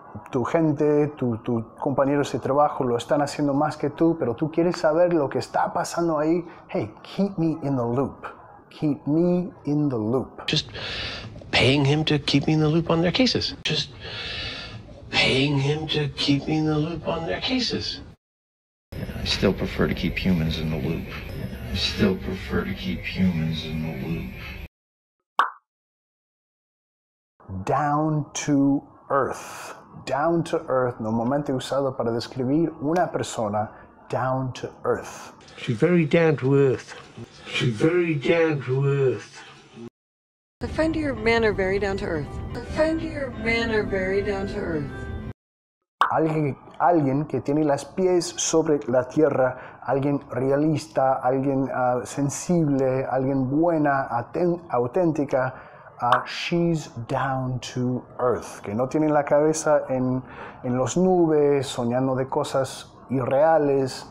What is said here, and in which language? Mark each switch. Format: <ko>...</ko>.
<es>tu gente, tus compañeros de trabajo lo están haciendo más que tú, pero tú quieres saber lo que está pasando ahí.</es> <en>Hey, keep me in the loop. Keep me in the loop. Just paying him to keep me in the loop on their cases. Just paying him to keep me in the loop on their cases. I still prefer to keep humans in the loop. I still prefer to keep humans in the loop. Down to earth. Down to earth,</en> <es>normalmente usado para describir una persona.</es> <en>Down to earth. She's very down to earth. She's very down to earth. I find your men are very down to earth. I find your men are very down to earth.</en> <es>Alguien que tiene los pies sobre la tierra, alguien realista, alguien sensible, alguien buena, auténtica.</es> <en>She's down to earth.</en> <es>Que no tiene la cabeza en las nubes, soñando de cosas irreales.</es>